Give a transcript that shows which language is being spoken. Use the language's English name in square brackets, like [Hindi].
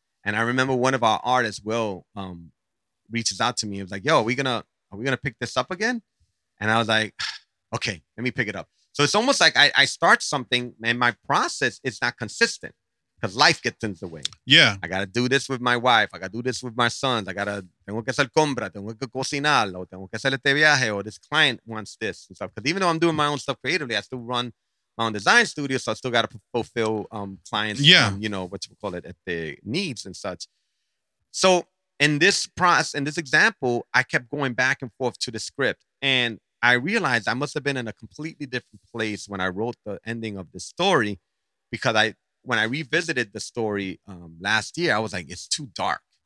[English] And I remember one of our artists, Will, reaches out to me and was like, yo, are we gonna pick this up again? And I was like, okay, let me pick it up. So it's almost like I start something and my process is not consistent because life gets in the way. Yeah. I got to do this with my wife. I got to do this with my sons. I got to, [Spanish] tengo que hacer compra, tengo que cocinar, o tengo que hacer este viaje, [English] or this client wants this and stuff. Because even though I'm doing my own stuff creatively, I still run my own design studio. So I still got to fulfill clients, yeah, you know, what you would call it, at their needs and such. So in this process, in this example, I kept going back and forth to the script. And I realized I must have been in a completely different place when I wrote the ending of the story, because when I revisited the story last year, I was like, it's too dark.